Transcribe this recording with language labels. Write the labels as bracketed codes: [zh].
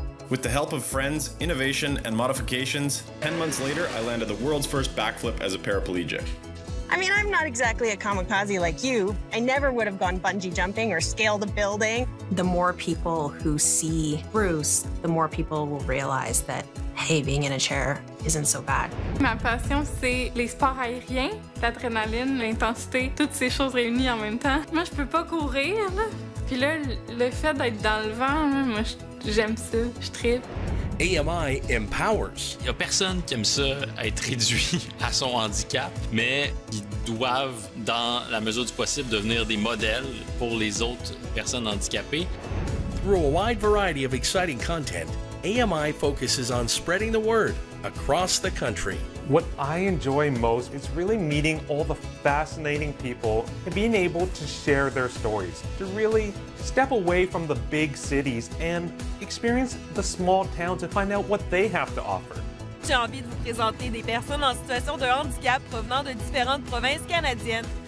[en] With the help of friends, innovation, and modifications, 10 months later, I landed the world's first backflip as a paraplegic. I mean, I'm not exactly a kamikaze like you. I never would have gone bungee jumping or scaled a building. The more people who see Bruce, the more people will realize that, hey, being in a chair isn't so bad. [fr] Ma passion, c'est les sports aériens, l'adrénaline, l'intensité, toutes ces choses réunies en même temps. Moi, je peux pas courir. Puis là, le fait d'être dans le vent, moi, je... J'aime ça, je trippe. [en] AMI empowers. [fr] Il y a personne qui aime ça être réduit à son handicap, mais ils doivent, dans la mesure du possible, devenir des modèles pour les autres personnes handicapées. [en] Through a wide variety of exciting content, AMI focuses on spreading the word across the country. What I enjoy most is really meeting all the fascinating people and being able to share their stories, to really step away from the big cities and experience the small towns and find out what they have to offer. [fr] J'ai envie de vous présenter des personnes en situation de handicap provenant de différentes provinces canadiennes.